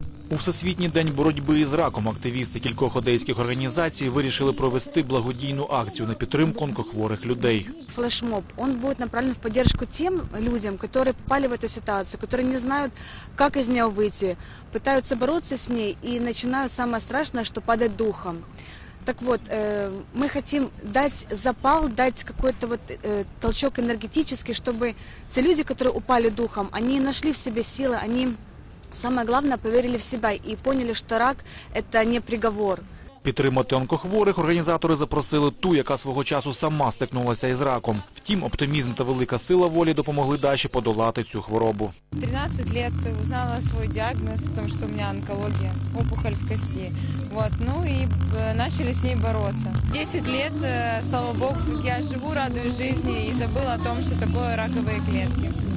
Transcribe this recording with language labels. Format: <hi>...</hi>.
<uk>У Всесвітній день боротьби із раком активісти кількох одеських організацій вирішили провести благодійну акцію на підтримку онкохворих людей. Флешмоб, він буде направлений в підтримку тим людям, які попали в цю ситуацію, які не знають, як із неї вийти, намагаються боротися з нею і починають саме страшне, що падає духом.</uk> <ru>Так вот, мы хотим дать запал, дать какой-то вот толчок энергетический, чтобы те люди, которые упали духом, они нашли в себе силы, они самое главное, поверили в себя и поняли, что рак – это не приговор.</ru> <uk>Підтримати онкохворих організатори запросили ту, яка свого часу сама стикнулася із раком. Втім, оптимізм та велика сила волі допомогли Даші подолати цю хворобу. 13 років узнала свій діагноз, тому що у мене онкологія, опухоль в кості. Ну і почали з нею боротися. 10 років, слава Богу, я живу, радуюсь життю і забула про те, що таке ракові клітки.</uk>